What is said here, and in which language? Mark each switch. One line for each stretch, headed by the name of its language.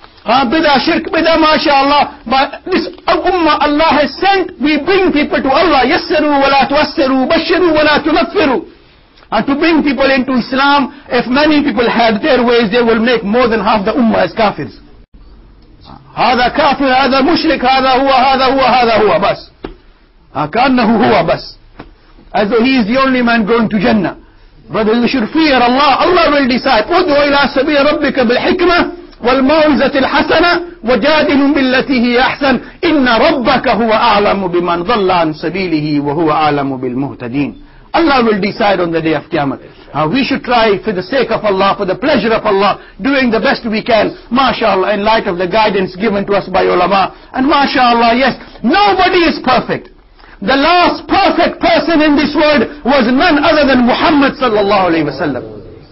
English: Bidah, shirk, bidah, mashallah. But this ummah Allah has sent, we bring people to Allah.
Arabic: Yassiru wa la tuassiru, bashiru wa la tunaffiru.
English: And to bring people into Islam, if many people had their ways, they will make more than half the ummah as kafirs.
Arabic: هذا كافر هذا مشرك هذا هو هذا هو هذا هو بس كأنه هو بس.
English: As though he is the only man going to Jannah. Brother, you should fear Allah. Allah will decide.
Arabic: ادعو إلى سبيل ربك بالحكمة والموعظة الحسنة وجادل بالتي هي أحسن إن ربك هو أعلم بمن ضل عن سبيله وهو أعلم بالمهتدين.
English: Allah will decide on the day of Qiyamah. We should try for the sake of Allah, for the pleasure of Allah, doing the best we can, mashallah, in light of the guidance given to us by ulama. And mashallah, yes, nobody is perfect. The last perfect person in this world was none other than Muhammad sallallahu alayhi wa sallam.